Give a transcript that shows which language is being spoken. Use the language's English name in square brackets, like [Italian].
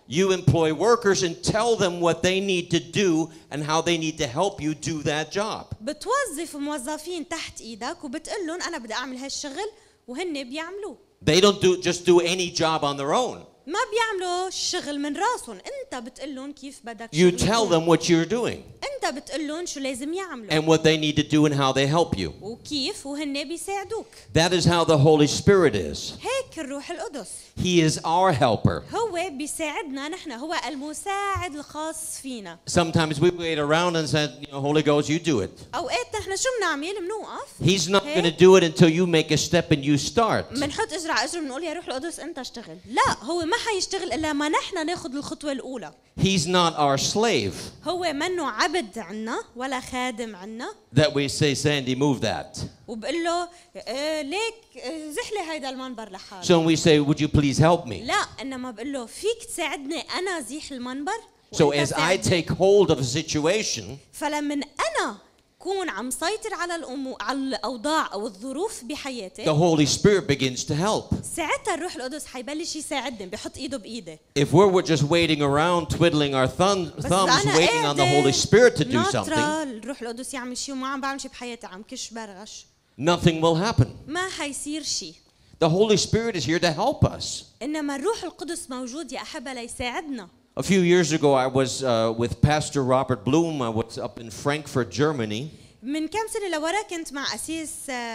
[English] you employ workers and tell them what they need to do and how they need to help you do that job. [Arabic] بتوظف موظفين تحت إيدك وبتقول لهم أنا بدي أعمل هالشغل وهن بيعملوه. [English] They don't do any job on their own. [Arabic] ما بيعملوا الشغل من راسهم. أنت بتقول لهم كيف بدك. [English] You tell them what you're doing. [Arabic] أنت بتقول لهم شو لازم يعملوا. [English] And what they need to do and how they help you. [Arabic] وكيف وهن بيساعدوك. [English] That is how the Holy Spirit is. [Arabic] هيك الروح القدس. [English] He is our helper. [Arabic] هو بيساعدنا نحن. هو المساعد الخاص فينا. [English] Sometimes we wait around and say, you know, Holy Ghost, you do it. [Arabic] أوقات نحن شو بنعمل بنوقف. [English] He's not going to do it until you make a step and you start. [Arabic] منحط إجرع إجر منقول يا روح القدس أنت اشتغل. لا هو ما حيشتغل إلا ما نحن ناخد الخطوة الأولى. [English] He's not our slave. [Arabic] هو منو عبد عنا ولا خادم عنا. [English] That we say, Sandy, move that. [Arabic] وبقول له ليك زحلي هيدا المنبر لحالي. [English] So we say, would you please help me? [Arabic] لا إنما بقول له فيك تساعدني أنا زيح المنبر. [English] So as I take hold of a situation. [Arabic] فلمن أنا كون عم سيطر على الأمور على الأوضاع أو الظروف بحياتي. [English] The Holy Spirit begins to help. [Arabic] ساعتها الروح القدس حيبلش يساعدني بحط إيده بإيده. [English] If we're just waiting around twiddling our thumbs waiting on the Holy Spirit to do something. [Arabic] الروح القدس يعمل شيء وما عم بعمل شيء بحياتي عم كش برغش. [English] Nothing will happen. [Arabic] ما حيصير شيء. [English] The Holy Spirit is here to help us. [Arabic] إنما الروح القدس موجود يا أحبة ليساعدنا. [English] A few years ago, I was with Pastor Robert Bloom. I was up in Frankfurt, Germany. [Arabic] من كم سنة لورا كنت مع أسيس